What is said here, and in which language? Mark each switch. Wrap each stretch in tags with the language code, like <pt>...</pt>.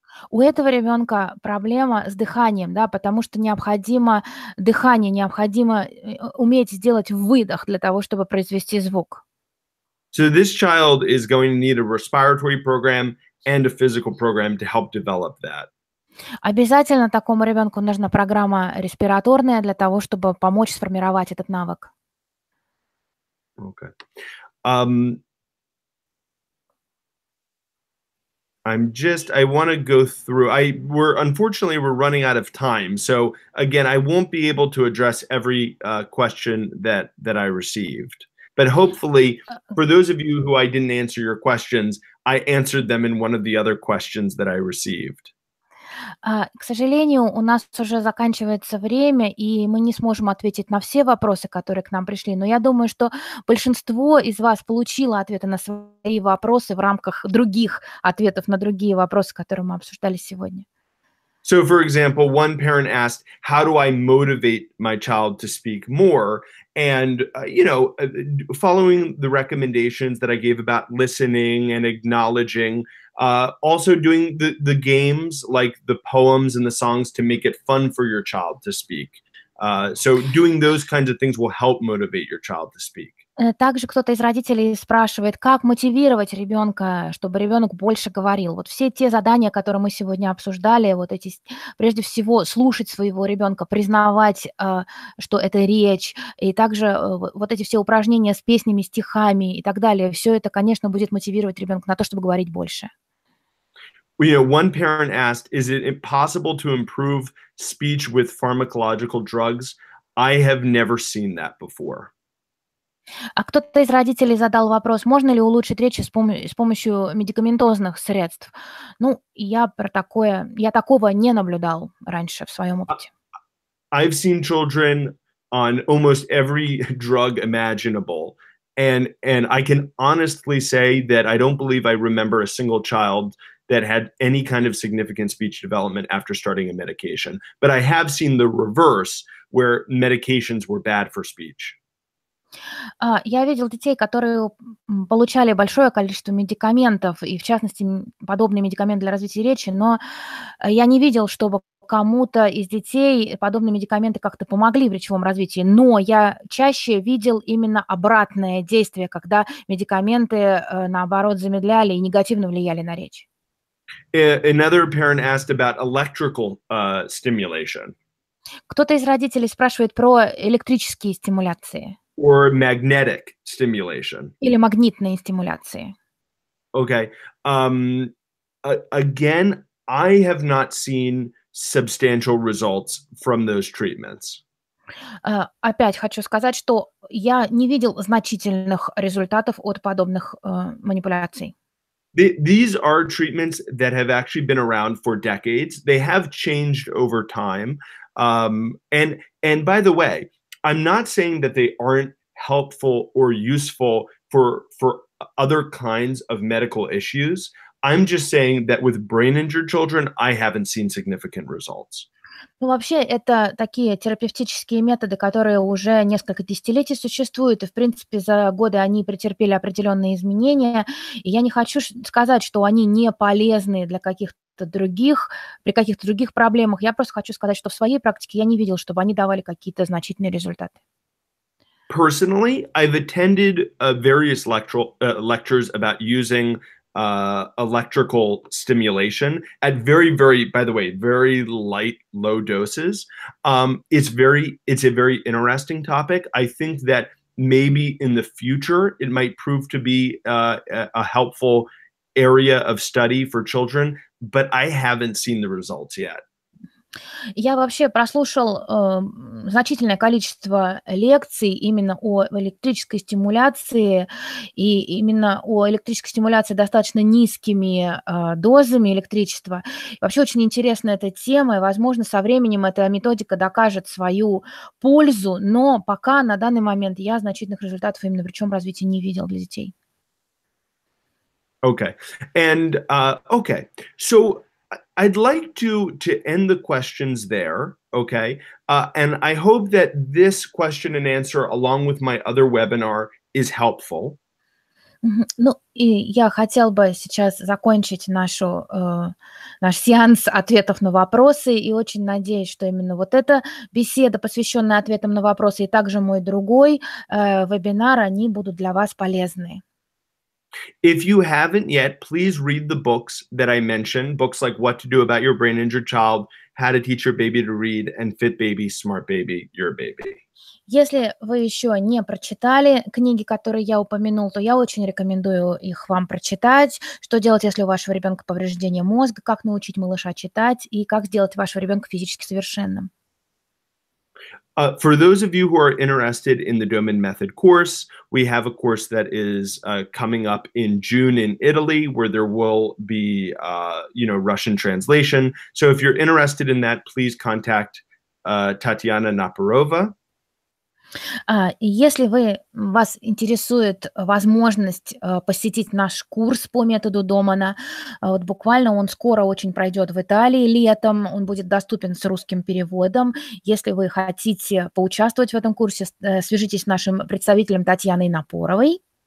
<ru>У этого ребенка проблема с дыханием, да, потому что необходимо дыхание, необходимо уметь сделать выдох для того, чтобы произвести звук.</ru> <en>So this child is going to need a respiratory program and a physical program to help develop that.</en> <ru>Обязательно такому ребенку нужна программа респираторная для того, чтобы помочь сформировать этот навык.</ru> <en>Okay. I want to go through. We're running out of time. So again, I won't be able to address every question that I received. But hopefully, for those of you who I didn't answer your questions, I answered them in one of the other questions that I received.</en> <ru>К сожалению, у нас уже заканчивается время, и мы не сможем ответить на все вопросы, которые к нам пришли. Но я думаю, что большинство из вас получило ответы на свои вопросы в рамках других ответов на другие вопросы, которые мы обсуждали сегодня.</ru> <en>So, for example, one parent asked, how do I motivate my child to speak more? And, following the recommendations that I gave about listening and acknowledging, also doing the games like the poems and the songs to make it fun for your child to speak. So doing those kinds of things will help motivate your child to speak.</en> <ru>Также кто-то из родителей спрашивает, как мотивировать ребенка, чтобы ребенок больше говорил. Вот все те задания, которые мы сегодня обсуждали, вот эти, прежде всего, слушать своего ребенка, признавать, что это речь, и также вот эти все упражнения с песнями, стихами и так далее, все это, конечно, будет мотивировать ребенка на то, чтобы говорить больше.</ru> <en>One parent asked, is it possible to improve speech with pharmacological drugs? I have never seen that before.</en> <ru>А кто-то из родителей задал вопрос, можно ли улучшить речь с помощью медикаментозных средств? Ну, я такого не наблюдал раньше в своем опыте.</ru> <en>I've seen children on almost every drug imaginable, and I can honestly say that I don't believe I remember a single child that had any kind of significant speech development after starting a medication. But I have seen the reverse, where medications were bad for speech.</en> <ru>Я видел детей, которые получали большое количество медикаментов, и в частности, подобный медикамент для развития речи, но я не видел, чтобы кому-то из детей подобные медикаменты как-то помогли в речевом развитии, но я чаще видел именно обратное действие, когда медикаменты, наоборот, замедляли и негативно влияли на речь.</ru> <en>Another parent asked about electrical stimulation.</en> <ru>Кто-то из родителей спрашивает про электрические стимуляции.</ru> <en>Or magnetic stimulation.</en> <ru>Или магнитные стимуляции.</ru> <en>Okay. Again, I have not seen substantial results from those treatments.</en> <ru>Опять хочу сказать, что я не видел значительных результатов от подобных манипуляций.</ru> <en>These are treatments that have actually been around for decades. They have changed over time. And by the way, I'm not saying that they aren't helpful or useful for other kinds of medical issues. I'm just saying that with brain injured children, I haven't seen significant results.</en> <ru>Ну, вообще, это такие терапевтические методы, которые уже несколько десятилетий существуют, и, в принципе, за годы они претерпели определенные изменения. И я не хочу сказать, что они не полезны для каких-то других, при каких-то других проблемах. Я просто хочу сказать, что в своей практике я не видел, чтобы они давали какие-то значительные результаты.</ru> <en>Personally, I've attended various lectures about using electrical stimulation at very, very, by the way, very light, low doses. It's a very interesting topic. I think that maybe in the future, it might prove to be a helpful area of study for children, but I haven't seen the results yet.</en> <ru>Я вообще прослушал значительное количество лекций именно о электрической стимуляции и именно о электрической стимуляции достаточно низкими дозами электричества. Вообще очень интересна эта тема, и, возможно, со временем эта методика докажет свою пользу, но пока на данный момент я значительных результатов именно в речевом развитии не видел для детей.</ru> <en>Okay. And, okay. So... I'd like to end the questions there, okay? And I hope that this question and answer, along with my other webinar, is helpful.</en> <ru>Ну, и я хотел бы сейчас закончить нашу, наш сеанс ответов на вопросы, и очень надеюсь, что именно вот эта беседа, посвященная ответам на вопросы, и также мой другой вебинар, они будут для вас полезны.</ru> <en>If you haven't yet, please read the books that I mentioned, books like What to Do About Your Brain Injured Child, How to Teach Your Baby to Read, and Fit Baby, Smart Baby, Your Baby.</en> <ru>Если вы еще не прочитали книги, которые я упомянул, то я очень рекомендую их вам прочитать. Что делать, если у вашего ребенка повреждение мозга, как научить малыша читать и как сделать вашего ребенка физически совершенным.</ru> <en>For those of you who are interested in the Doman Method course, we have a course that is coming up in June in Italy, where there will be, Russian translation. So if you're interested in that, please contact Tatiana Naparova.</en> <ru>Если вас интересует возможность посетить наш курс по методу Домана, вот буквально он скоро очень пройдет в Италии летом, он будет доступен с русским переводом. Если вы хотите поучаствовать в этом курсе, свяжитесь с нашим представителем Татьяной Напоровой.</ru>